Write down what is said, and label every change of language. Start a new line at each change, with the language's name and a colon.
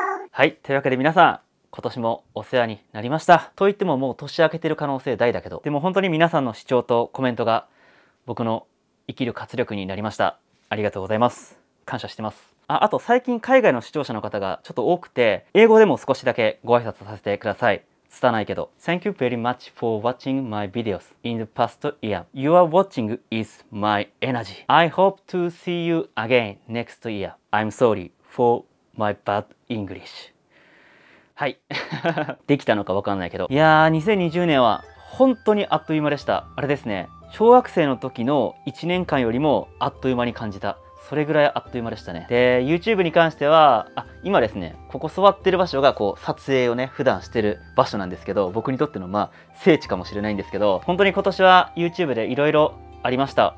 Japanese: はい、というわけで皆さん、今年もお世話になりました。といってももう年明けてる可能性大だけど、でも本当に皆さんの視聴とコメントが僕の生きる活力になりました。ありがとうございます。感謝してます。あと最近海外の視聴者の方がちょっと多くて、英語でも少しだけご挨拶させてください。拙いけど、
English: Thank you very much for watching my videos in the past year. Your watching is my energy. I hope to see you again next year. I'm sorry for my bad English.
Japanese: はい。できたのか分かんないけど、いやー、2020年は本当にあっという間でした。あれですね、小学生の時の1年間よりもあっという間に感じた。それぐらいあっという間でしたね。で、 YouTube に関しては、今ですね、ここ座ってる場所がこう撮影をね普段してる場所なんですけど、僕にとってのまあ聖地かもしれないんですけど、本当に今年は YouTube でいろいろありました。